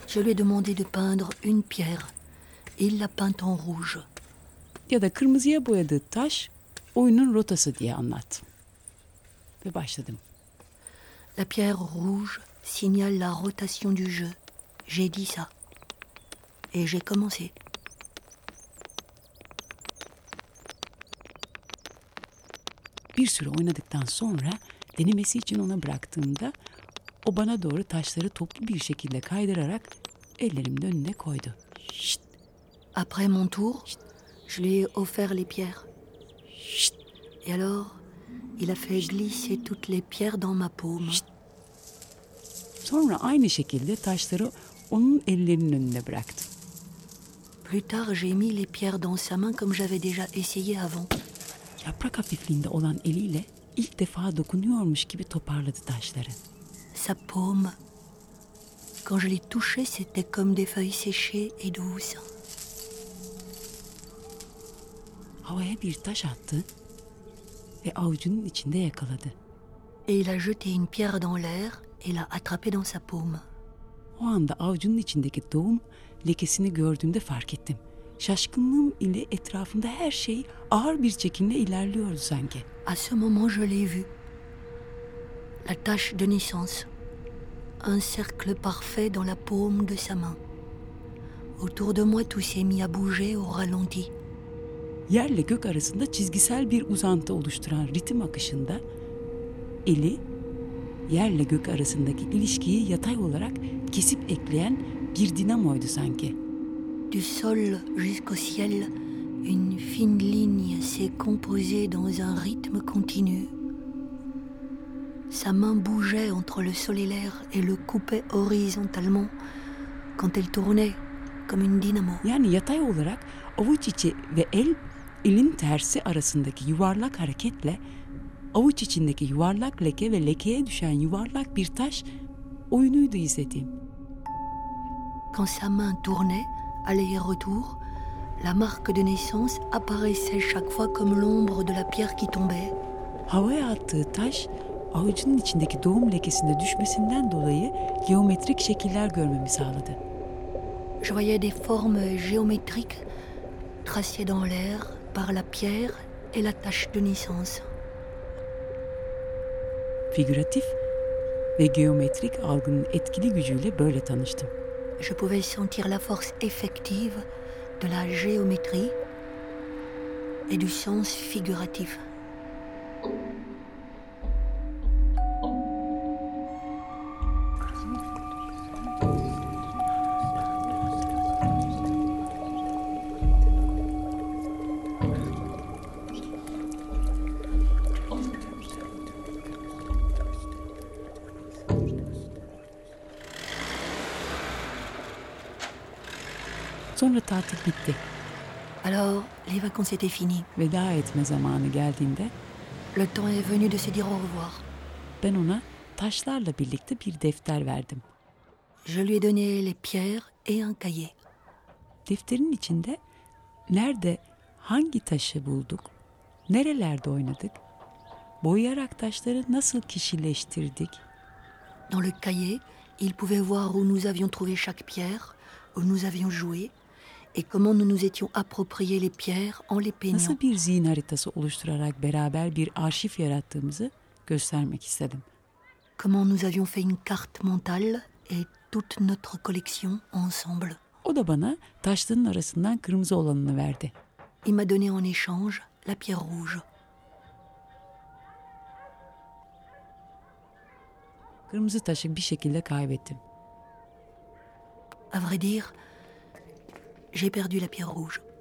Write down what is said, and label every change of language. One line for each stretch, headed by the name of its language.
French: Je lui ai demandé de peindre une pierre. Il l'a peinte en rouge.
Turkish: Ya da kırmızıya boyadığı taş oyunun rotası diye anlat. Ve başladım.
French: La pierre rouge signale la rotation du jeu. J'ai dit ça. Et j'ai commencé.
Turkish: Bir süre oynadıktan sonra denemesi için ona bıraktığımda o bana doğru taşları toplu bir şekilde kaydırarak ellerimin önüne koydu.
French: Şşt. Après mon tour, Şşt. Je lui ai offert les pierres. Şşt. Et alors, il a fait Şşt. Glisser toutes les pierres dans ma paume. Şşt.
Turkish: Sonra aynı şekilde taşları onun ellerinin önüne bıraktım.
French: Plus tard, j'ai mis les pierres dans sa main comme j'avais déjà essayé avant.
Turkish: Yaprak hafifliğinde olan eliyle ilk defa dokunuyormuş gibi toparladı taşları.
French: Sa paume. Quand je l'ai touché, c'était comme des feuilles séchées et douces.
Turkish: Havaya bir taş attı ve avucunun içinde yakaladı.
French: Et il a jeté une pierre dans l'air et l'a attrapée dans sa paume.
Turkish: O anda avucunun içindeki doğum lekesini gördüğümde fark ettim. Şaşkınlığım ile etrafımda her şey ağır bir çekimle ilerliyordu sanki.
French: À ce moment je l'ai vu. La tache de naissance. Un cercle parfait dans la paume de sa main. Autour de moi tout s'est mis à bouger au ralenti.
Turkish: yerle gök arasında çizgisel bir uzantı oluşturan ritim akışında eli yerle gök arasındaki ilişkiyi yatay olarak kesip ekleyen bir dinamoydu sanki.
French: Du sol jusqu'au ciel, une fine ligne s'est composée dans un rythme continu. Sa main bougeait entre le sol et l'air et le coupait horizontalement quand elle tournait comme une dynamo.
Turkish: Yani yatay olarak avuç içi ve elin tersi arasındaki yuvarlak hareketle avuç içindeki yuvarlak leke ve lekeye düşen yuvarlak bir taş oyunuydu izlediğim.
French: Quand sa main tournait, aller et retour, la marque de naissance apparaissait chaque fois comme l'ombre de la pierre qui tombait.
Turkish: Havaya attığı taş avucunun içindeki doğum lekesinde düşmesinden dolayı geometrik şekiller görmemi sağladı.
French: Je voyais des formes géométriques tracées dans l'air par la pierre et la tache de naissance.
Turkish: Figüratif ve geometrik algının etkili gücüyle böyle tanıştım.
French: Je pouvais sentir la force effective de la géométrie et du sens figuratif.
Turkish: Sonra tatil bitti.
French: Alors, les vacances étaient finies.
Turkish: Veda etme zamanı geldiğinde,
French: le temps est venu de se dire au revoir.
Turkish: Ben ona taşlarla birlikte bir defter verdim.
French: Je lui ai donné les pierres et un cahier.
Turkish: Defterin içinde nerede hangi taşı bulduk, nerelerde oynadık, boyayarak taşları nasıl kişileştirdik.
French: Dans le cahier, il pouvait voir où nous avions trouvé chaque pierre, où nous avions joué. Et comment nous nous étions approprié les pierres en les peignant.
Turkish: Nasıl bir zihin haritası oluşturarak beraber bir arşiv yarattığımızı göstermek istedim.
French: Comment nous avions fait une carte mentale et toute notre collection ensemble.
Turkish: O da bana taşların arasından kırmızı olanını verdi.
French: Il m'a donné en échange la pierre rouge.
Turkish: Kırmızı taşı bir şekilde kaybettim.
French: À vrai dire, j'ai perdu la pierre rouge.